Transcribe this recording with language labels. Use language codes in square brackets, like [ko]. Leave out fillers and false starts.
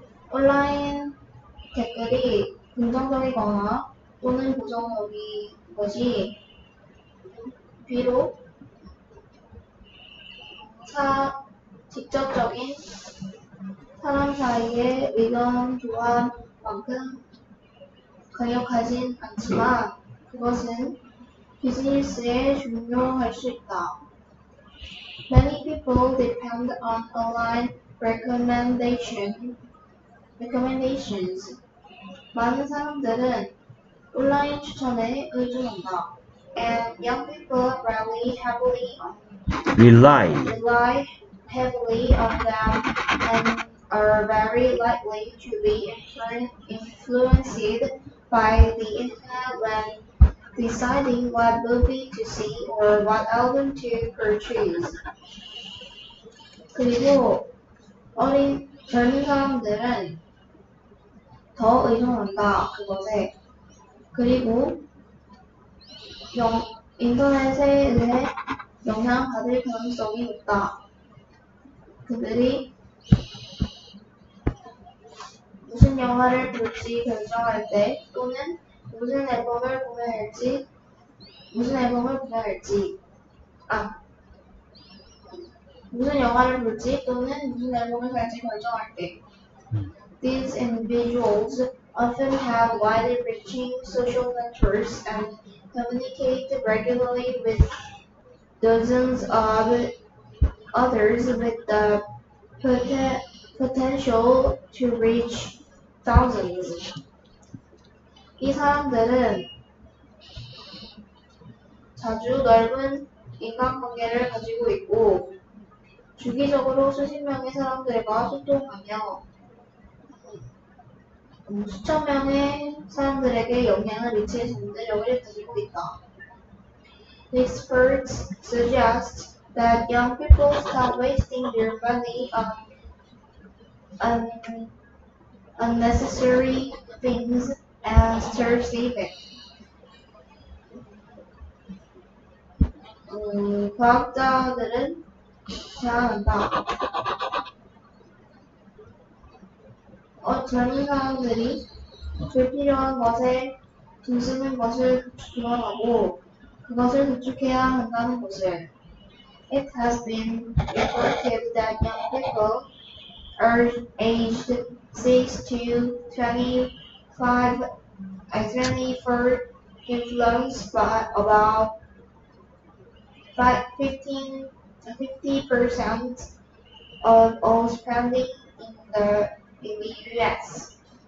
[ko] Online 댓글이 긍정적이거나 또는 부정적인 것이 비록 직접적인 사람 사이의 의견 교환만큼 강력하진 않지만 그것은 비즈니스에 중요할 수 있다. [en] Many people depend on online recommendations. [ko] 많은 사람들은 온라인 추천에 의존한다. [en] And young people rely heavily on them and are very likely to be influenced by the internet when deciding what movie to see or what album to purchase. [ko] 그리고 젊은 사람들은 더 의존한다 그것에. 그리고 인터넷에 의해 영향받을 가능성이 높다. 그들이 무슨 영화를 볼지 결정할 때 또는 무슨 영화를 볼지 또는 무슨 앨범을 살지 결정할 때. [en] These individuals often have wide-reaching social networks and communicate regularly with dozens of others with the potential to reach thousands. [ko] 이 사람들은 자주 넓은 인간관계를 가지고 있고 주기적으로 수십 명의 사람들과 소통하며 수천 명의 사람들에게 영향을 미칠 정도력을 가지고 있다. [en] Experts suggest that young people start wasting their money on unnecessary things and start saving. [ko] 과학자들은 제안한다. 젊은 사람들이 불필요한 것에 돈 쓰는 것을 줄여가고 그것을 구축해야 한다는 것을. [en] It has been reported that young people aged 6 to 24 influence about 50% of all spending in the US.